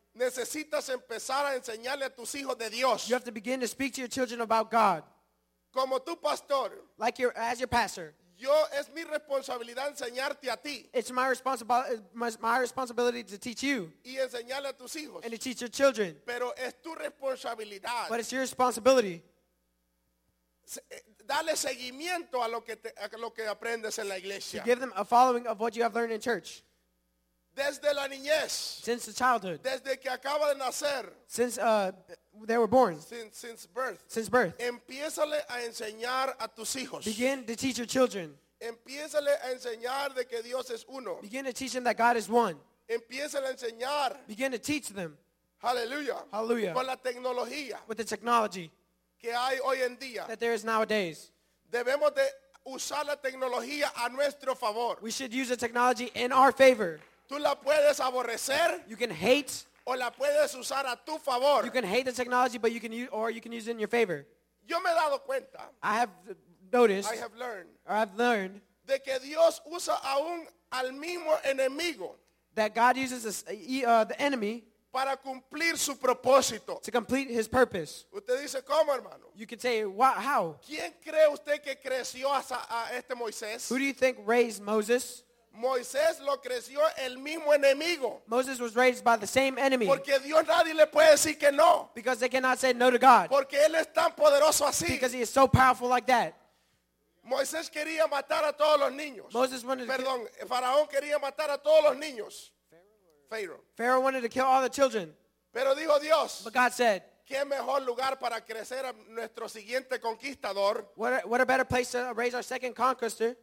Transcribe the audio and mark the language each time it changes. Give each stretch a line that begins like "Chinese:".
Spanish: Necesitas empezar a enseñarle a tus hijos de Dios.
English: You have to begin to speak to your children about God.
Spanish: Como tu pastor.
English: Like your, as your pastor.
Spanish: Yo, es mi responsabilidad enseñarte a ti.
English: It's my responsibility to teach you.
Spanish: Y enseñarle a tus hijos.
English: And to teach your children.
Spanish: Pero es tu responsabilidad.
English: But it's your responsibility.
Spanish: Dale seguimiento a lo que aprendes en la iglesia.
English: To give them a following of what you have learned in church.
Spanish: Desde la niñez.
English: Since the childhood.
Spanish: Desde que acaba de nacer.
English: Since they were born. Since birth. Since birth.
Spanish: Empiézale a enseñar a tus hijos.
English: Begin to teach your children.
Spanish: Empiézale a enseñar de que Dios es uno.
English: Begin to teach them that God is one.
Spanish: Empiézale a enseñar.
English: Begin to teach them. Hallelujah. Hallelujah.
Spanish: Con la tecnología.
English: With the technology.
Spanish: Que hay hoy en día.
English: That there is nowadays.
Spanish: Debemos de usar la tecnología a nuestro favor.
English: We should use the technology in our favor.
Spanish: Tú la puedes aborrecer.
English: You can hate.
Spanish: O la puedes usar a tu favor.
English: You can hate the technology, but you can use, or you can use it in your favor.
Spanish: Yo me he dado cuenta.
English: I have noticed. I have learned. Or I've learned.
Spanish: De que Dios usa aún al mismo enemigo.
English: That God uses the enemy.
Spanish: Para cumplir su propósito.
English: To complete his purpose.
Spanish: Usted dice, ¿cómo, hermano?
English: You can say, what, how?
Spanish: ¿Quién cree usted que creció a este Moisés?
English: Who do you think raised Moses?
Spanish: Moisés lo creció el mismo enemigo.
English: Moses was raised by the same enemy.
Spanish: Porque Dios nadie le puede decir que no.
English: Because they cannot say no to God.
Spanish: Porque él es tan poderoso así.
English: Because he is so powerful like that.
Spanish: Moisés quería matar a todos los niños.
English: Moses wanted to
Spanish: Perdón, Faraón quería matar a todos los niños.
English: Pharaoh wanted to kill all the children.
Spanish: Pero dijo Dios.
English: But God said.
Spanish: ¿Qué mejor lugar para crecer a nuestro siguiente conquistador?
English: What a better place to raise our second conqueror.